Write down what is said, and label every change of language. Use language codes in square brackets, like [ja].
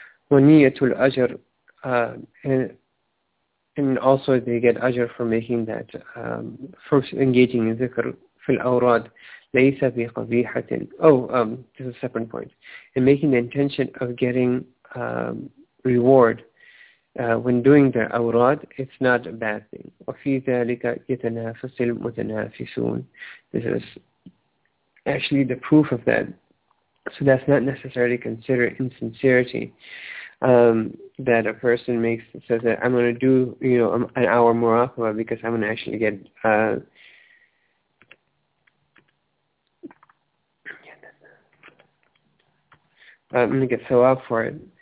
[ar] Waniyatul ajr, [en] and also they get ajr for making that, for engaging in zikr fil awrad. [ar] Laysa bi qabihatin. [en] This is a separate point. In making the intention of getting reward when doing the awrad, it's not a bad thing. [ar] وفي ذلك يتنافس المتنافسون. [en] This is actually the proof of that. So that's not necessarily considered insincerity. That a person makes, says that I'm going to do, you know, an hour muraqabah because I'm going to actually get I'm going to get thawab for it.